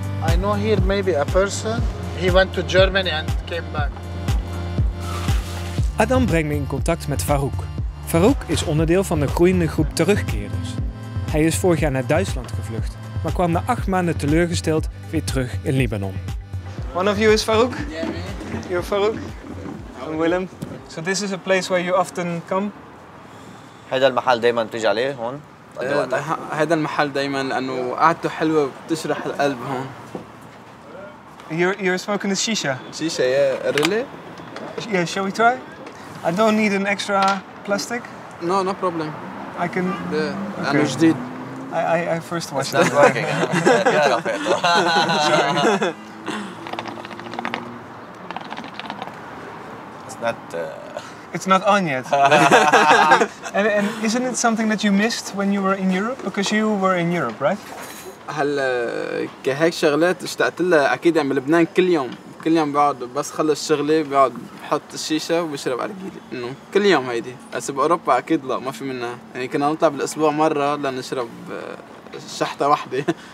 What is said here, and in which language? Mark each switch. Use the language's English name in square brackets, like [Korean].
[English] I know here maybe a person. He went to Germany and came back. [Dutch] Adam brengt me in contact met Farouk. Farouk is onderdeel van de groeiende groep terugkerers. Hij is vorig jaar naar Duitsland gevlucht, maar kwam na 8 maanden teleurgesteld weer terug in Libanon. [English] One of you is Farouk. Yeah, me. You're Farouk. I'm Willem. So this is a place where you often come. [Arabic] هذا المحل دائما تيجي عليه هون. هذا المحل دائما لأنه قعدته حلوة بتشرح القلب هون. [English] You're smoking the shisha. Shisha, yeah. Really? Yeah. Shall we try? I don't need an extra plastic. No, no problem. I can. [Arabic] Yeah. أنا جديد. [English] I first watched it. It's not working. It's not on yet. and isn't it something that you missed when you were in Europe? Because you were in Europe, right? [Arabic] هلا كهيك شغلات اشتقت لها اكيد عم لبنان كل يوم، كل يوم بقعد بس خلص شغلي بقعد بحط الشيشة وبشرب عرقيلة، انه كل يوم هيدي، بس باوروبا اكيد لا ما في منها، يعني كنا نطلع بالاسبوع مرة لنشرب شحطة واحدة.